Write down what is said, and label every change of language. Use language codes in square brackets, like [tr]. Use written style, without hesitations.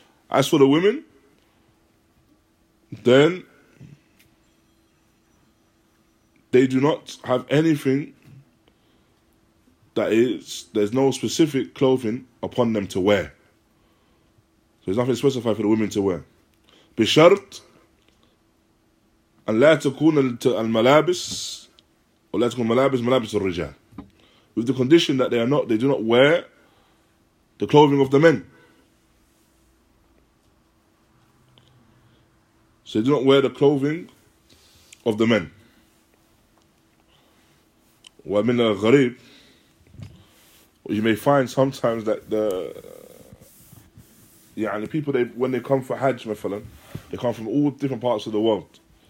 [en] As for the women, then they do not have anything that is, there's no specific clothing upon them to wear. So there's nothing specified for the women to wear. [ar] بشرط أن لا تكون الملابس أو لا تكون ملابس ملابس الرجال. [en] With the condition that they do not wear the clothing of the men. So they do not wear the clothing of the men. [ar] ومن الغريب, [en] you may find sometimes that people when they come for Hajj, [ar] مثلاً, [en] they come from all different parts of the world.